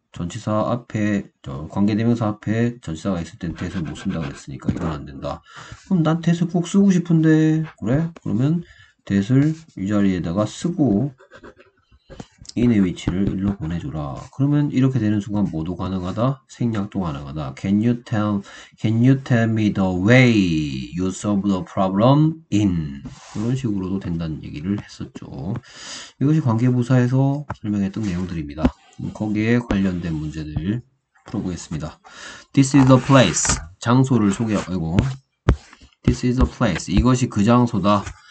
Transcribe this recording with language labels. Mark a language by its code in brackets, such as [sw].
[ko] 전치사 앞에 저 관계대명사 앞에 전치사가 있을 땐 that을 못 쓴다고 했으니까 이건 안 된다. 그럼 난 that을 꼭 쓰고 싶은데 그래? 그러면 that을 이 자리에다가 쓰고 in의 위치를 일로 보내줘라. 그러면 이렇게 되는 순간 모두 가능하다. 생략도 가능하다. [en] Can you tell me the way you solve the problem in? [ko] 이런 식으로도 된다는 얘기를 했었죠. 이것이 관계부사에서 설명했던 내용들입니다. 거기에 관련된 문제들 풀어보겠습니다. [en] This is the place. [ko] 장소를 소개하고, 아이고. [en] This is the place. [ko] 이것이 그 장소다.